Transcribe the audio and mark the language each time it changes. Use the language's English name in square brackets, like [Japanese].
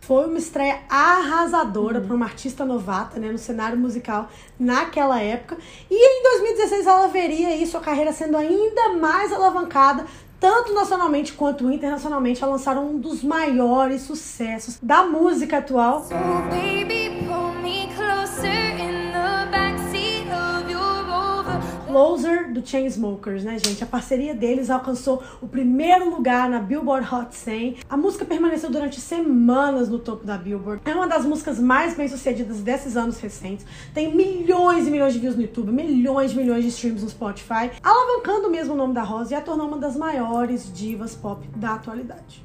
[Portuguese] Foi uma estreia arrasadora para uma artista novata, né, no cenário musical naquela época. E em 2016 ela veria aí sua carreira sendo ainda mais alavancada, tanto nacionalmente quanto internacionalmente, a lançar um dos maiores sucessos da música atual. [English] So baby, pull me closer in the backseat of your Rover. [Portuguese] Closer, do Chainsmokers, né, gente? A parceria deles alcançou o primeiro lugar na Billboard Hot 100. A música permaneceu durante semanas no topo da Billboard. É uma das músicas mais bem-sucedidas desses anos recentes. Tem milhões e milhões de views no YouTube, milhões e milhões de streams no Spotify, alavancando mesmo o nome da Halsey e a tornou uma das maiores divas pop da atualidade.